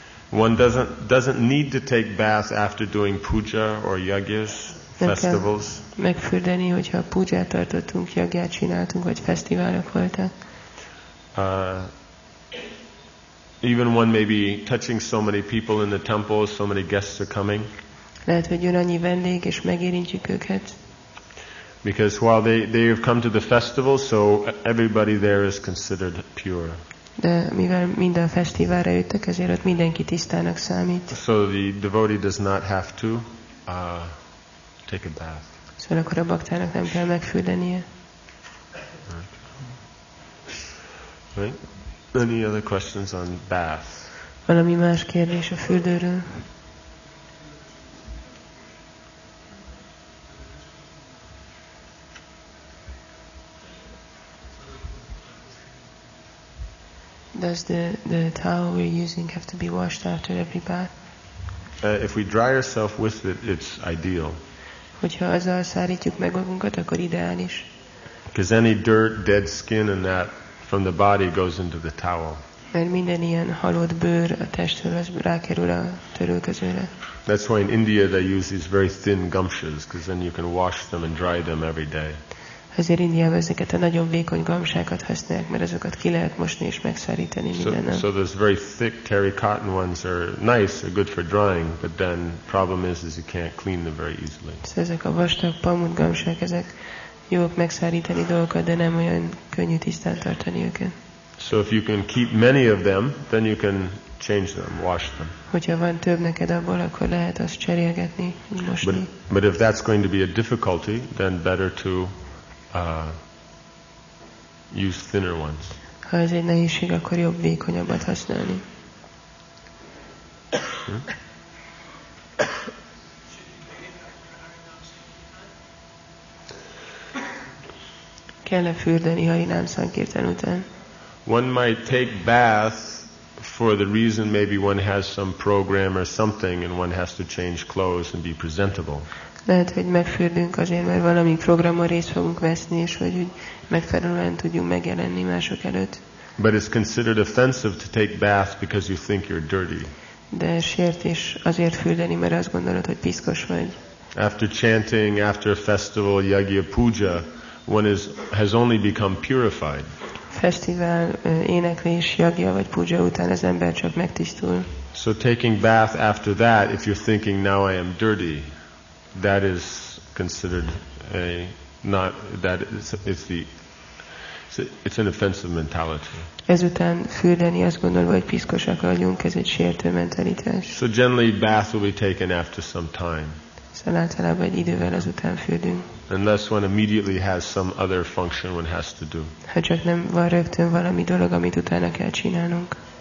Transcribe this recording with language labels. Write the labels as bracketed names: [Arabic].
[English] One doesn't need to take bath after doing puja or yagyas, festivals. [Hungarian] Megfürdeni, hogyha pujját tartottunk, yagyát csináltunk, vagy fesztiválok voltak. [English] Even one may be touching so many people in the temple, so many guests are coming. [Hungarian] Lehet, hogy jön annyi vendég, és megérintjük őket. [English] Because while they have come to the festival, so everybody there is considered pure. [Hungarian] De mivel minden fesztiválra jöttek, ezért ott mindenki tisztának számít. [English] So the devotee does not have to take a bath. [Hungarian] Szóval akkor a baktának nem kell megfürdenie. [English] Right. Any other questions on bath? [Hungarian] Valami más kérdés a fürdőről? [English] Does the towel we're using have to be washed after every bath? If we dry ourselves with it, it's ideal. [Hungarian] Hogyha azzal szárítjuk meg magunkat, akkor ideális. [English] Because any dirt, dead skin, and that from the body goes into the towel. [Hungarian] Mert minden ilyen halott bőr a testről az rákerül a törölközőre. [English] That's why in India they use these very thin gumshoes, because then you can wash them and dry them every day. [Hungarian] Ezért Indiában ezeket a nagyon vékony gamsákat használják, mert azokat ki lehet mosni és megszárítani minden nap. [English] So those very thick terry cotton ones are nice, are good for drying, but then problem is you can't clean them very easily. [Hungarian] Szóval ezek a vastag pamut gamsák, ezek jók megszárítani dolgokat, de nem olyan könnyű tisztán tartani őket. [English] So if you can keep many of them, then you can change them, wash them. [Hungarian] Hogyha van több neked abból, akkor lehet azt cserélgetni, mosni. [English] But if that's going to be a difficulty, then better to use thinner ones. [Hungarian] Ha ez egy nehézség, akkor jobb vékonyabbat használni. Kell-e fürdeni Harinám Szankirtan után? [English] One might take bath for the reason maybe one has some program or something and one has to change clothes and be presentable. [Hungarian] Lehet, hogy megfürdünk azért, mert valami programon részt fogunk veszni, és hogy úgy megfelelően tudjunk megjelenni mások előtt. [English] But it's considered offensive to take bath because you think you're dirty. [Hungarian] De sértés azért fürdeni, mert azt gondolod, hogy piszkos vagy. [English] After chanting, after a festival, Yagya Puja, one has only become purified. [Hungarian] Fesztivál, éneklés, Yagya vagy Puja után az ember csak megtisztul. [English] So taking bath after that, if you're thinking now I am dirty, that is considered a not that is it's an offensive mentality. [Hungarian] Ezután fürdeni azt gondolva, hogy piszkosak vagyunk, ez egy sértő mentalitás. [English] So generally bath will be taken after some time. [Hungarian] Szóval általában egy idővel azután fürdünk. [English] Unless one immediately has some other function one has to do. [Hungarian] Ha csak nem van rögtön valami dolog, amit utána kell csinálnunk.